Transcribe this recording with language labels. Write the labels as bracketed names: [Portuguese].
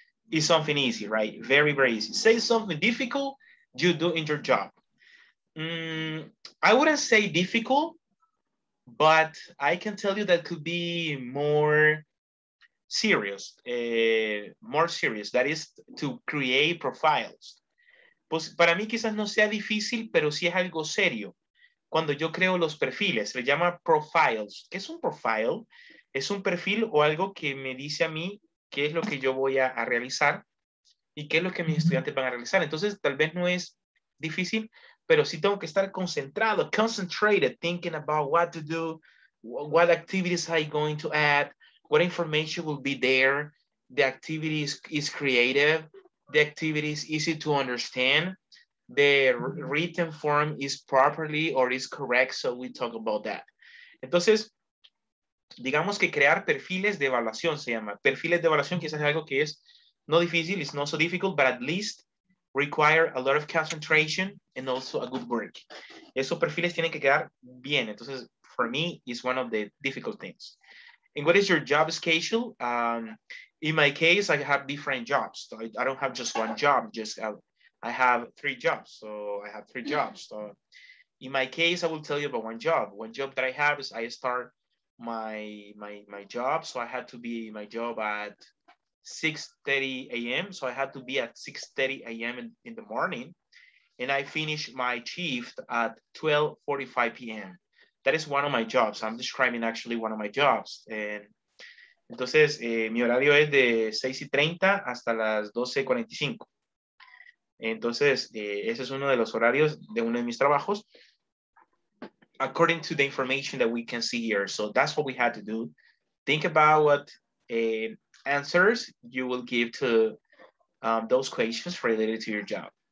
[English] It's something easy, right? Very, very easy. Say something difficult, you do in your job. I wouldn't say difficult, but I can tell you that could be more serious. More serious, that is to create profiles. [Spanish] Pues para mí quizás no sea difícil, pero sí es algo serio. Cuando yo creo los perfiles, se le llama profiles. ¿Qué es un profile? Es un perfil o algo que me dice a mí qué es lo que yo voy a realizar y qué es lo que mis estudiantes van a realizar. Entonces, tal vez no es difícil, pero sí tengo que estar concentrado, [English] concentrated, thinking about what to do, what activities I'm going to add, what information will be there, the activities is creative, the activities easy to understand, the written form is properly or is correct, so we talk about that. [Spanish] Entonces, digamos que crear perfiles de evaluación se llama. Perfiles de evaluación quizás es algo que es no difícil, [English] it's not so difficult, but at least require a lot of concentration and also a good work. [Spanish] Esos perfiles tienen que quedar bien. [English] Entonces, for me, it's one of the difficult things. And what is your job schedule? In my case, I have different jobs. So I don't have just one job, just I have three jobs. So I have three jobs. So in my case, I will tell you about one job. One job that I have is I start my job, so I had to be my job at 6:30 a.m. So I had to be at 6:30 a.m. in the morning, and I finished my shift at 12:45 p.m. That is one of my jobs. I'm describing actually one of my jobs. And [Spanish] entonces mi horario es de 6:30 hasta las 12:45. Entonces ese es uno de los horarios de uno de mis trabajos. [English] According to the information that we can see here. So that's what we had to do. Think about what answers you will give to those questions related to your job.